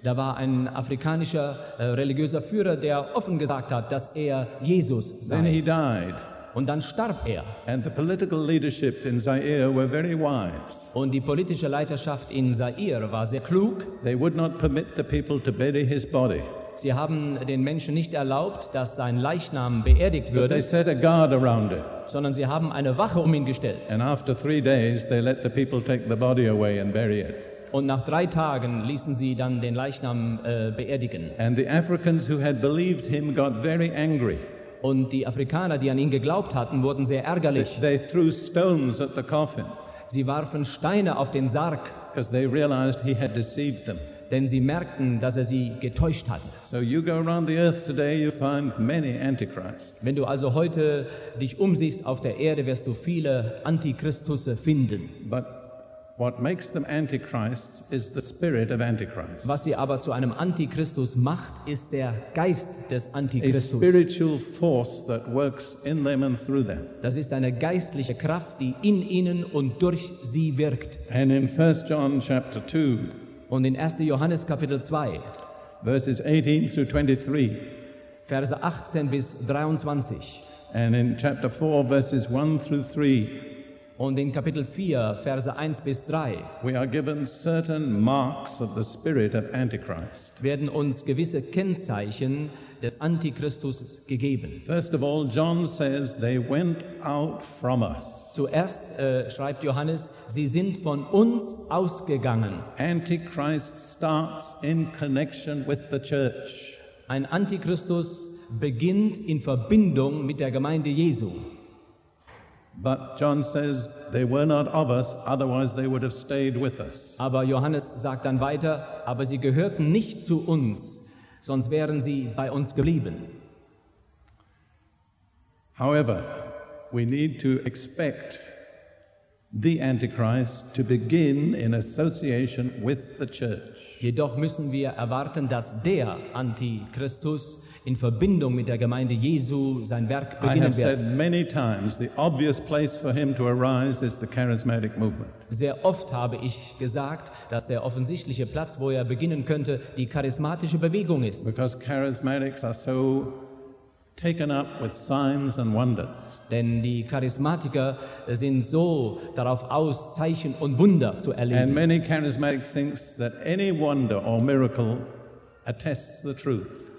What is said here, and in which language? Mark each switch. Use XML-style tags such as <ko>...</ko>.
<de>Da war ein afrikanischer religiöser Führer, der offen gesagt hat, dass er Jesus sei.</de> <en>Then he died.</en> <de>Und dann starb er.</de> <en>And the political leadership in Zaire were very wise.</en> <de>Und die politische Leiterschaft in Zaire war sehr klug.</de> <en>They would not permit the people to bury his body.</en> <de>Sie haben den Menschen nicht erlaubt, dass sein Leichnam beerdigt würde.</de> <en>But they set a guard around it.</en> <de>Sondern sie haben eine Wache um ihn gestellt.</de> <en>And after 3 days, they let the people take the body away and bury it.</en> <de>Und nach 3 Tagen ließen sie dann den Leichnam beerdigen.</de> <en>And the Africans who had believed him got very angry.</en> <de>Und die Afrikaner, die an ihn geglaubt hatten, wurden sehr ärgerlich.</de> <en>They threw stones at the coffin.</en> <de>Sie warfen Steine auf den Sarg.</de> <en>Because they realized he had deceived them.</en> <de>Denn sie merkten, dass er sie getäuscht hatte.</de> <en>So you go around the earth today, you find many antichrists.</en> <de>Wenn du also heute dich umsiehst auf der Erde, wirst du viele Antichristusse finden.</de> <en>But what makes them antichrists is the spirit of Antichrist.</en> <de>Was sie aber zu einem Antichristus macht, ist der Geist des Antichristus.</de> <en>A spiritual force that works in them and through them.</en> <de>Das ist eine geistliche Kraft, die in ihnen und durch sie wirkt.</de> <en>And in 1 John chapter 2,</en> <de>und in 1. Johannes Kapitel 2,</de> <en>verses 18 through 23,</en> <de>Verse 18 bis 23,</de> <en>and in chapter 4, verses 1 through 3,</en> <de>und in Kapitel 4, Verse 1 bis 3,</de> <en>we are given certain marks of the spirit of Antichrist.</en> <de>Werden uns gewisse Kennzeichen des Antichristus gegeben.</de> <en>First of all, John says they went out from us.</en> <de>Zuerst schreibt Johannes, sie sind von uns ausgegangen.</de> <en>Antichrist starts in connection with the church.</en> <de>Ein Antichristus beginnt in Verbindung mit der Gemeinde Jesu.</de> <en>But John says they were not of us, otherwise they would have stayed with us.</en> <de>Aber Johannes sagt dann weiter, aber sie gehörten nicht zu uns, sonst wären sie bei uns geblieben.</de> <en>However, we need to expect the Antichrist to begin in association with the church.</en> <de>Jedoch müssen wir erwarten, dass der Antichristus in Verbindung mit der Gemeinde Jesu sein Werk beginnen wird.</de> <en>I have said many times, the obvious place for him to arise is the charismatic movement.</en> <de>Sehr oft habe ich gesagt, dass der offensichtliche Platz, wo er beginnen könnte, die charismatische Bewegung ist.</de> <en>Because charismatics are so taken up with signs and wonders.</en> <de>Denn die Charismatiker sind so darauf aus, Zeichen und Wunder zu erleben.</de> <en>And many charismatic thinks that any wonder or miracle attests the truth.</en>